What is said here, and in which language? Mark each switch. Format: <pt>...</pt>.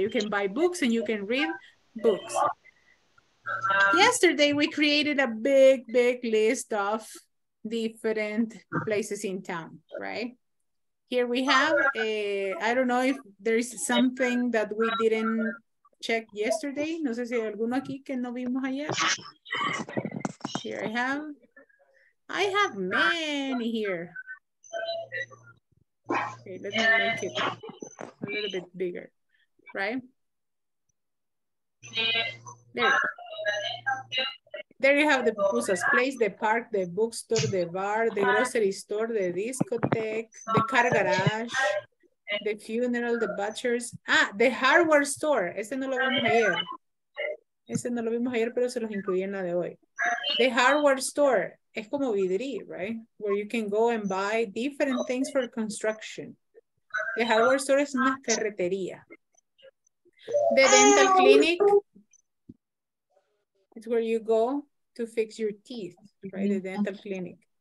<en>You can buy books and you can read books. Yesterday, we created a big, big list of different places in town, right? Here we have, I don't know if there is something that we didn't check yesterday.</en> <es>No sé si hay alguno aquí que no vimos ayer.</es> <en>Here I have. I have many here. Okay, let me make it a little bit bigger, right? There you have the pupusas place, the park, the bookstore, the bar, the grocery store, the discotheque, the car garage, the funeral, the butchers. Ah, the hardware store.</en> <es>Ese no lo vimos ayer. Ese no lo vimos ayer, pero se los incluí en la de hoy.</es> <en>The hardware store.</en> <es>Es como vidri,</es> <en>right? Where you can go and buy different things for construction. The hardware store</en> <es>es una ferretería.</es> <en>The dental clinic. It's where you go to fix your teeth, right? The dental clinic.</en>